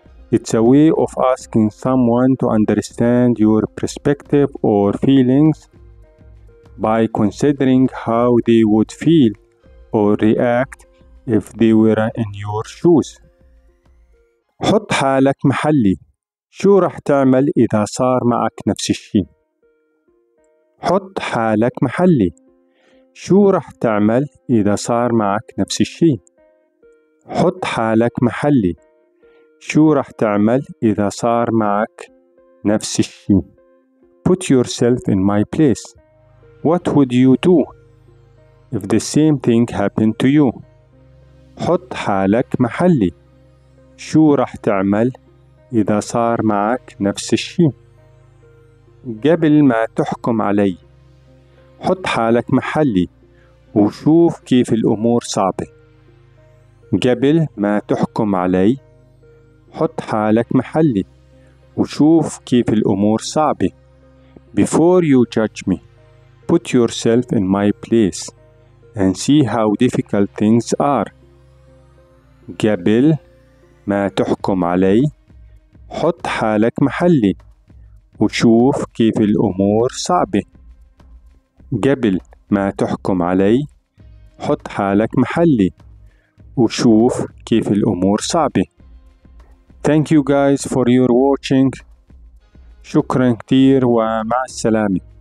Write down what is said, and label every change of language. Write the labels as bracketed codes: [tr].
[en] It's a way of asking someone to understand your perspective or feelings by considering how they would feel or react if they were in your shoes. [ar] حط حالك محلي. شو راح تعمل إذا صار معك نفس الشيء؟ حط حالك محلي. شو راح تعمل إذا صار معك نفس الشيء؟ حط حالك محلي. شو راح تعمل إذا صار معك نفس الشيء؟ [en] Put yourself in my place. What would you do if the same thing happened to you? [ar] حط حالك محلي. شو راح تعمل إذا صار معك نفس الشيء؟ قبل ما تحكم علي، حط حالك محلي وشوف كيف الأمور صعبة. قبل ما تحكم علي، حط حالك محلي وشوف كيف الأمور صعبة. [en] Before you judge me, put yourself in my place and see how difficult things are. [ar] قبل ما تحكم علي، حط حالك محلي وشوف كيف الأمور صعبة. قبل ما تحكم علي، حط حالك محلي وشوف كيف الأمور صعبة. [en] Thank you guys for your watching. [ar] شكرا كتير ومع السلامة.